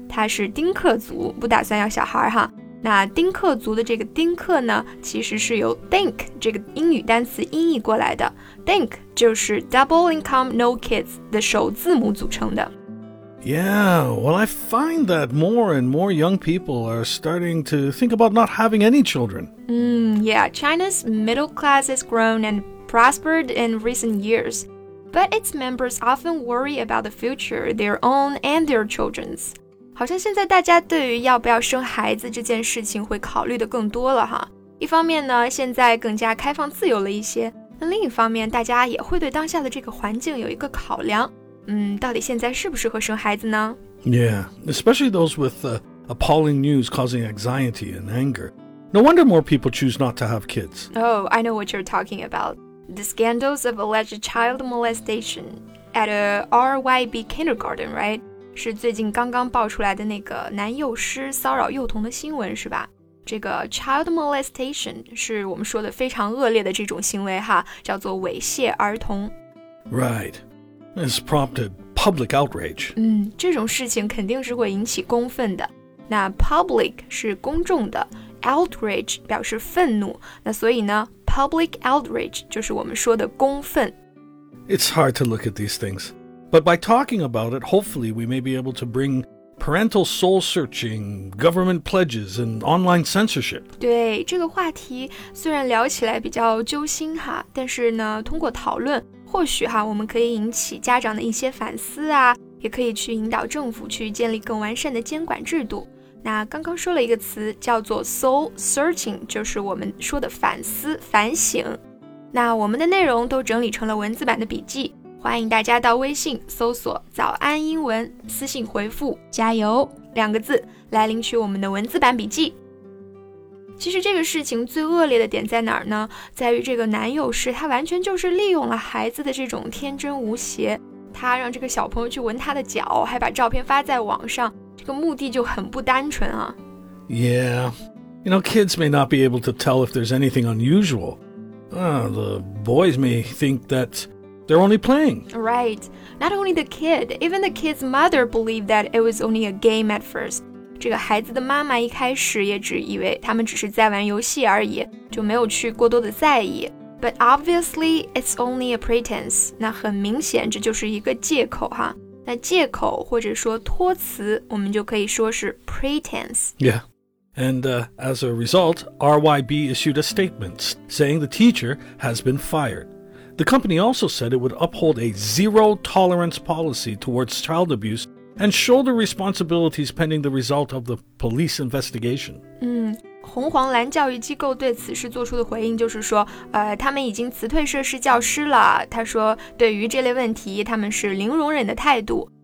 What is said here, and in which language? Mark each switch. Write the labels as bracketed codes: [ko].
[zh] 她是丁克族，不打算要小孩哈。那丁克族的这个丁克呢，其实是由 think 这个英语单词音译过来的。 Think 就是 [en] double income, no kids [zh] 的首字母组成的。 [en] Yeah, well, I find that more and more young people are starting to think about not having any children. Yeah, China's middle class has grown and prospered in recent years, but its members often worry about the future, their own and their children's. [zh] 好像现在大家对于要不要生孩子这件事情会考虑的更多了哈。一方面呢，现在更加开放自由了一些，那另一方面，大家也会对当下的这个环境有一个考量。到底现在适不适合生孩子呢? [en] Yeah, especially those with appalling news causing anxiety and anger. No wonder more people choose not to have kids. Oh, I know what you're talking about. The scandals of alleged child molestation at a RYB kindergarten, right? [zh] 是最近刚刚爆出来的那个男幼师骚扰幼童的新闻是吧? 这个 child molestation 是我们说的非常恶劣的这种行为哈,叫做猥亵儿童。 [en] Right. Has prompted public outrage. [zh] 这种事情肯定是会引起公愤的。那 public 是公众的 ,outrage 表示愤怒。那所以呢 ,public outrage 就是我们说的公愤。 [en] It's hard to look at these things. But by talking about it, hopefully we may be able to bring parental soul-searching, government pledges, and online censorship. [zh] 对,这个话题虽然聊起来比较揪心哈,但是呢,通过讨论或许哈，我们可以引起家长的一些反思啊，也可以去引导政府去建立更完善的监管制度。那刚刚说了一个词叫做 soul searching， 就是我们说的反思、反省。那我们的内容都整理成了文字版的笔记，欢迎大家到微信搜索“早安英文”，私信回复“加油”两个字来领取我们的文字版笔记。其实这个事情最恶劣的点在哪儿呢？在于这个男幼师，他完全就是利用了孩子的这种天真无邪，他让这个小朋友去闻他的脚，还把照片发在网上，这个目的就很不单纯啊。 [en] Yeah, you know, kids may not be able to tell if there's anything unusual. The boys may think that they're only playing. Right, not only the kid, even the kid's mother believed that it was only a game at first. [zh] 这个孩子的妈妈一开始也只以为他们只是在玩游戏而已，就没有去过多的在意。 [en] But obviously, it's only a pretense. [zh] 那很明显，这就是一个借口哈。那借口或者说托词，我们就可以说是 pretense. [en] Yeah. And as a result, RYB issued a statement saying the teacher has been fired. The company also said it would uphold a zero tolerance policy towards child abuse. And shoulder responsibilities pending the result of the police investigation. [zh] 红黄蓝教育机构对此事做出的回应就是说，他们已经辞退涉事教师了。他说，对于这类问题，他们是零容忍的态度。